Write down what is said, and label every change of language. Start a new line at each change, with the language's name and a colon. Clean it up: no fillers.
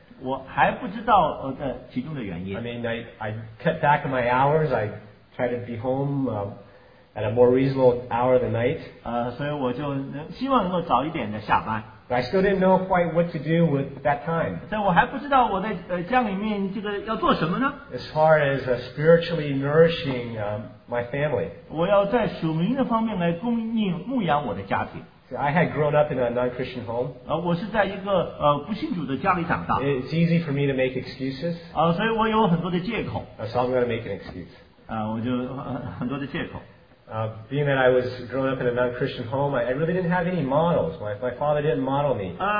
Chinese: 我还不知道, 其中的原因。
English: I mean, I cut back on my hours. I tried to be home at a more reasonable hour of the night.
Chinese: 所以我就希望能够早一点的下班。
English: But I still didn't know quite what to do with that time.
Chinese: 但我还不知道我在家里面这个要做什么呢?
English: As far as spiritually nourishing my family.
Chinese: 我要在属灵的方面来供应牧养我的家庭。
English: I had grown up in a non-Christian home.
Chinese: 我是在一个不信主的家里长大。
English: It's easy for me to make excuses.
Chinese: 所以我有很多的借口。
English: So I'm going to make an excuse.
Chinese: 我就很多的借口。
English: Being that I was grown up in a non-Christian home, I really didn't have any models. My father didn't model me.